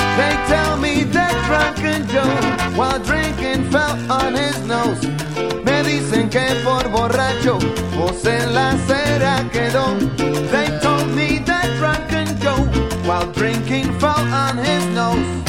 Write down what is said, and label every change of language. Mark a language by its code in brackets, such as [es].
[en] They tell me that drunken Joe, while drinking, fell on his nose. [es] Me dicen que por borracho José en la acera quedó. [en] They told me that drunken Joe, while drinking, fell on his nose.